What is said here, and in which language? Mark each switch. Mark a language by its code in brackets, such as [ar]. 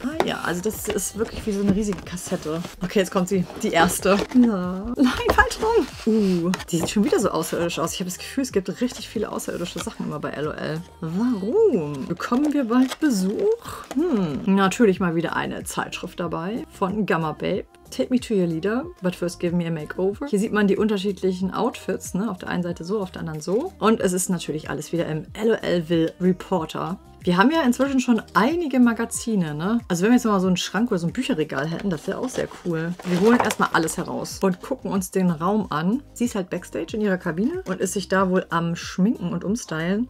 [de] Ah ja, also das ist wirklich wie so eine riesige Kassette. Okay, jetzt kommt sie. Die erste. Nein, falsch rum. Die sieht schon wieder so außerirdisch aus. Ich habe das Gefühl, es gibt richtig viele außerirdische Sachen immer bei LOL. Warum? Bekommen wir bald Besuch? Natürlich mal wieder eine Zeitschrift dabei von Gamma Babe. [en] Take me to your leader, but first give me a makeover. [de] Hier sieht man die unterschiedlichen Outfits, ne? Auf der einen Seite so, auf der anderen so. Und es ist natürlich alles wieder im LOLville Reporter. Wir haben ja inzwischen schon einige Magazine, ne? Also wenn wir jetzt mal so einen Schrank oder so ein Bücherregal hätten, das wäre auch sehr cool. Wir holen erstmal alles heraus und gucken uns den Raum an. Sie ist halt Backstage in ihrer Kabine und ist sich da wohl am Schminken und Umstylen.